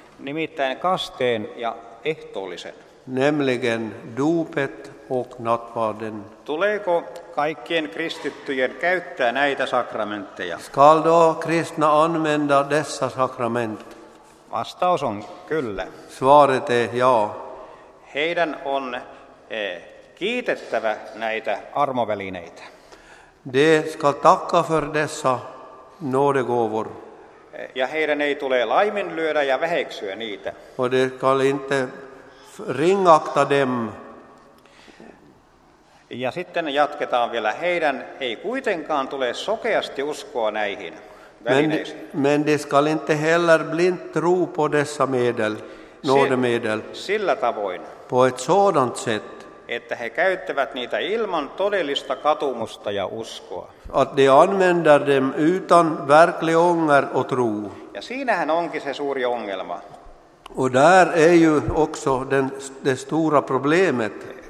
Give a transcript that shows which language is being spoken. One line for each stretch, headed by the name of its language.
Finnish: Nimittäin kasteen ja ehtoollisen.
Swedish: Nämligen dopet och nattvarden.
Finnish: Tuleeko kaikkien kristittyjen käyttää näitä sakramentteja?
Swedish: Skall då kristna använda dessa sakrament?
Finnish: Vastaus on kyllä.
Swedish: Svaret är ja.
Finnish: Heidän on kiitettävä näitä armovälineitä.
Swedish: De skall tacka för dessa nådegåvor.
Finnish: Ja heidän ei tule laiminlyödä ja väheksyä niitä.
Swedish: Och de skall inte ringakta dem.
Finnish: Ja sitten jatketaan vielä. Heidän ei kuitenkaan tule sokeasti uskoa näihin välineisiin.
Swedish: Men de skall inte heller blint tro på dessa medel, nådemedel.
Finnish: Sillä tavoin.
Swedish: På ett sådant sätt.
Finnish: Että he käyttävät niitä ilman todellista katumusta ja uskoa.
Swedish: Att de använder dem utan verklig ånger och tro.
Finnish: Ja siinähän onkin se suuri ongelma.
Swedish: Och där är ju också det stora problemet.